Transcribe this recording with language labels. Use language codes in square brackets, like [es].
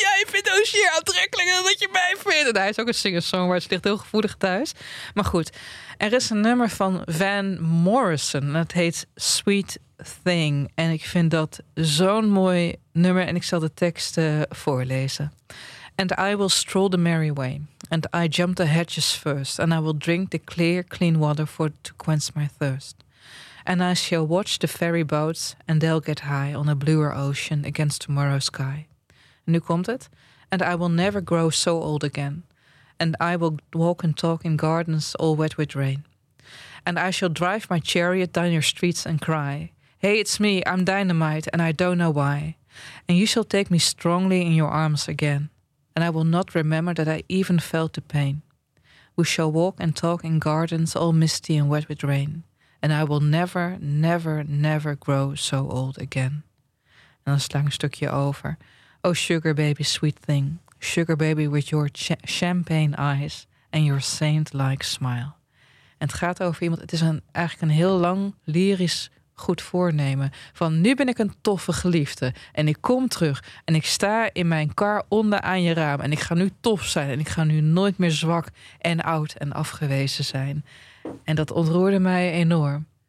[nl] Jij vindt Hozier aantrekkelijker dan dat je mij vindt. En hij is ook een singer-songwriter. Het ligt heel gevoelig thuis. Maar goed, er is een nummer van Van Morrison. Het heet Sweet Thing. En ik vind dat zo'n mooi nummer. En ik zal de tekst voorlezen. [en] And I will stroll the merry way. And I jump the hedges first. And I will drink the clear, clean water for to quench my thirst. And I shall watch the ferry boats. And they'll get high on a bluer ocean against tomorrow's sky. [nl] En nu komt het. [en] And I will never grow so old again. And I will walk and talk in gardens all wet with rain. And I shall drive my chariot down your streets and cry. Hey, it's me, I'm dynamite, and I don't know why. And you shall take me strongly in your arms again. And I will not remember that I even felt the pain. We shall walk and talk in gardens all misty and wet with rain. And I will never, never, never grow so old again. [nl] En dan sla ik een stukje over. [en] Oh, sugar baby, sweet thing. Sugar baby with your champagne eyes and your saint-like smile. [nl] En het gaat over iemand, het is eigenlijk een heel lang, lyrisch goed voornemen. Van nu ben ik een toffe geliefde en ik kom terug en ik sta in mijn kar onder aan je raam. En ik ga nu tof zijn en ik ga nu nooit meer zwak en oud en afgewezen zijn. En dat ontroerde mij enorm.